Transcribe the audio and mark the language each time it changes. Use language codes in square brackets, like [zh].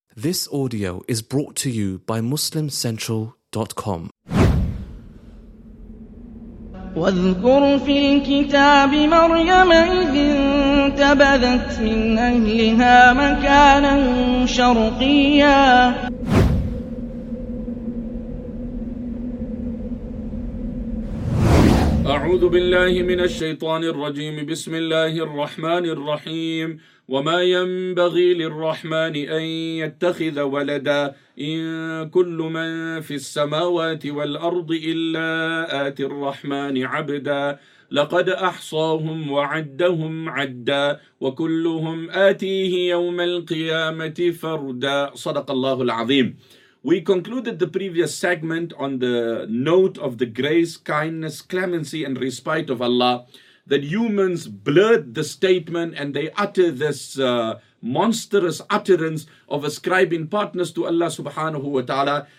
[en] This audio is brought to you by MuslimCentral.com. [ar] واذكر في الكتاب مريم إذ انتبذت من أهلها مكانا شرقيا. أعوذ بالله من الشيطان الرجيم. بسم الله الرحمن الرحيم. وما ينبغي للرحمن أن يتخذ ولدا إن كل من في السماوات والأرض إلا آتي الرحمن عبدا لقد أحصاهم وعدهم عدا وكلهم آتيه يوم القيامة فردا. صدق الله العظيم. [en] We concluded the previous segment on the note of the grace, kindness, clemency and respite of Allah, that humans blurt the statement and they utter this monstrous utterance of ascribing partners to Allah subhanahu wa ta'ala.